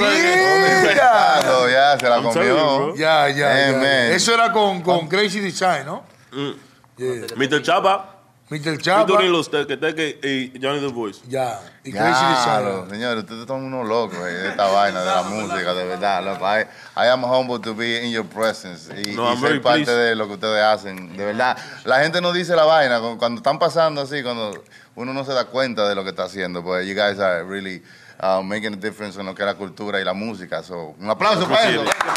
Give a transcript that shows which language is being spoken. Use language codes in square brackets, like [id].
[es] Inventando, ya, se la comió. Ya, ya. Eso era con Crazy Design, ¿no? Mr. Chapa. Mr. Chapa. Featuring los teque-teque y Johnny the Voice. Ya. Y Crazy Design. Señores, ustedes son unos locos de esta vaina, de la música, de verdad. Loco. [en] I am humble to be in your presence. [es] Y, no, y ser [en] very [es] parte [en] pleased [es] de lo que ustedes hacen. De verdad. La gente no dice la vaina. Cuando están pasando así, cuando uno no se da cuenta de lo que está haciendo. Pues [en] you guys are really making a difference [es] en lo que es la cultura y la música. So, un aplauso para ellos.